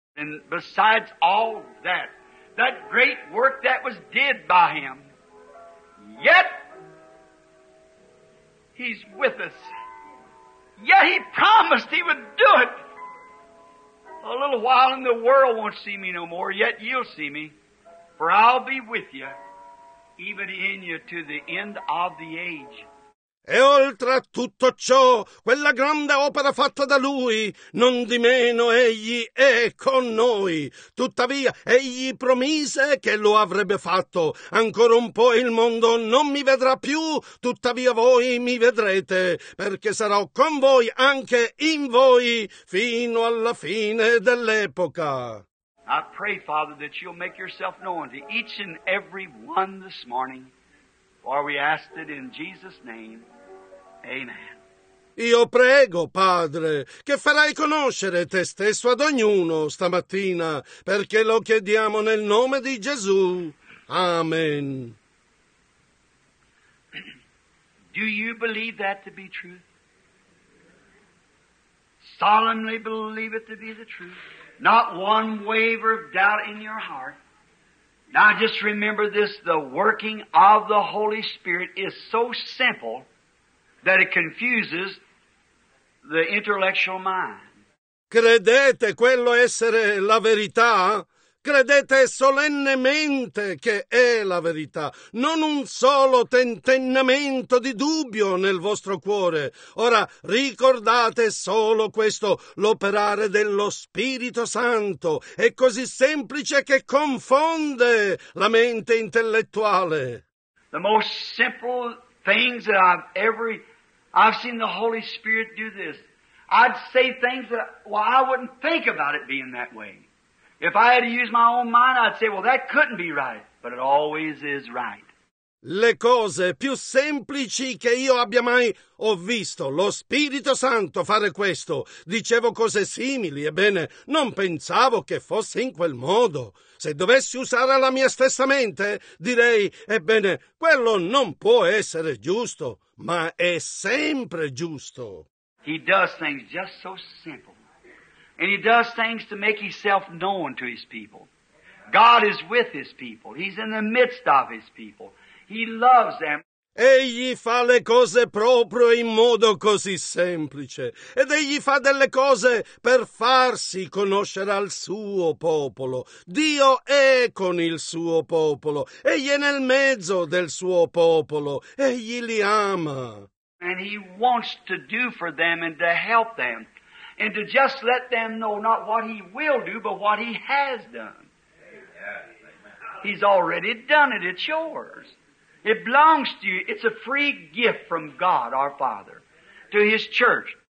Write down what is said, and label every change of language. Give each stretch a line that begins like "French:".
English: And besides all that, that great work that was did by him, yet he's with us. Yet he promised he would do it. A little while and the world won't see me no more, yet you'll see me. For I'll be with you, even in you, to the end of the age.
Italian: E oltre a tutto ciò, quella grande opera fatta da lui, non di meno egli è con noi. Tuttavia, egli promise che lo avrebbe fatto. Ancora un po' il mondo non mi vedrà più, tuttavia voi mi vedrete, perché sarò con voi anche in voi fino alla fine dell'epoca.
English: I pray, Father, that you'll make yourself known to each and every one this morning. For we ask it in Jesus' name. Amen.
Italian: Io prego, Padre, che farai conoscere te stesso ad ognuno stamattina, perché lo chiediamo nel nome di Gesù. Amen.
English: Do you believe that to be true? Solemnly believe it to be the truth. Not one waver of doubt in your heart. Now just remember this, the working of the Holy Spirit is so simple that it confuses the intellectual mind.
Italian: Credete quello essere la verità? credete solennemente che è la verità. Non un solo tentennamento di dubbio nel vostro cuore. Ora ricordate solo questo, l'operare dello Spirito Santo. È così semplice che confonde la mente intellettuale.
English: The most simple things that I've seen the Holy Spirit do this. I'd say things that, well, I wouldn't think about it being that way. If I had to use my own mind, I'd say, well, that couldn't be right. But it always is right.
Italian: Le cose più semplici che io abbia mai ho visto lo Spirito Santo fare questo. Dicevo cose simili, ebbene, non pensavo che fosse in quel modo. Se dovessi usare la mia stessa mente, direi, ebbene, quello non può essere giusto, ma è sempre giusto.
English: He does things just so simple. And he does things to make himself known to his people. God is with his people. He's in the midst of his people. He loves them.
Italian: Egli fa le cose proprio in modo così semplice. Ed egli fa delle cose per farsi conoscere al suo popolo. Dio è con il suo popolo. Egli è nel mezzo del suo popolo. Egli li ama.
English: And he wants to do for them and to help them. And to just let them know not what he will do, but what he has done. He's already done it. It's yours. It belongs to you. It's a free gift from God, our Father, to His church.